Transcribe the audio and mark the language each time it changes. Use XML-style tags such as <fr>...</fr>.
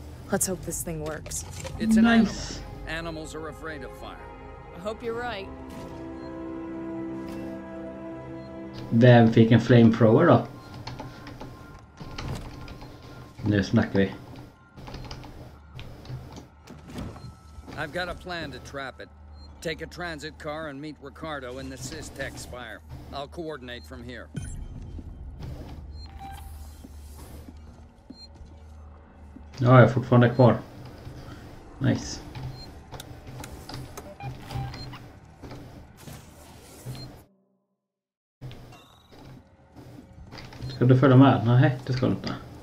<en>Let's hope this thing works. It's an nice. Animal. Animals are afraid of fire. I hope you're right.</en> <sv>Vem fick en flamethrower då? Nu snackar vi.</sv> <en>I've got a plan to trap it. Take a transit car and meet Ricardo in the SysTech Spire. I'll coordinate from here.</en> <sv>Ja, jag är fortfarande kvar.</sv> <en>Nice.</en> <sv>Ska du följa med? Nej, det ska du inte.</sv>